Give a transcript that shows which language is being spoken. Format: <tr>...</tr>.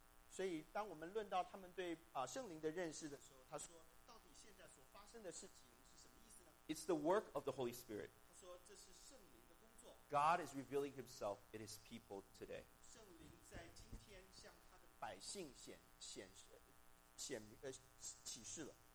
<zh>所以当我们论到他们对圣灵的认识的时候，他说到底现在所发生的事情是什么意思呢？</zh> <en>It's the work of the Holy Spirit.</en> <zh>他说这是圣灵的工作。</zh> <en>God is revealing himself in his people today.</en> <zh>圣灵在今天向他的百姓显启示了。</zh>